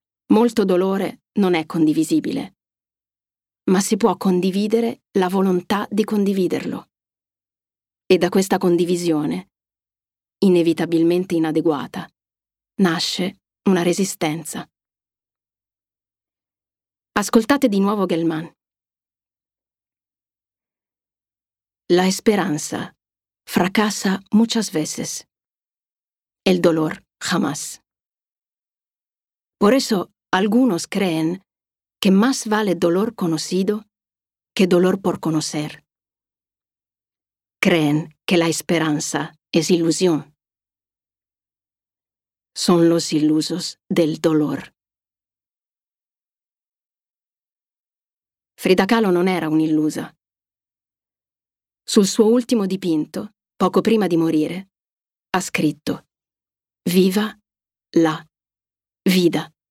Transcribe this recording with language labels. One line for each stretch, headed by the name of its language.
Italian: Molto dolore non è condivisibile, ma si può condividere la volontà di condividerlo. E da questa condivisione, inevitabilmente inadeguata, nasce una resistenza. Ascoltate di nuovo Gell-Mann.
Spanish: La esperanza fracasa muchas veces, el dolor jamás. Por eso algunos creen que más vale dolor conocido que dolor por conocer. Creen que la esperanza es ilusión. Son los ilusos del dolor.
Italian: Frida Kahlo non era un'illusa. Sul suo ultimo dipinto, poco prima di morire, ha scritto:
Spanish: "Viva la vida."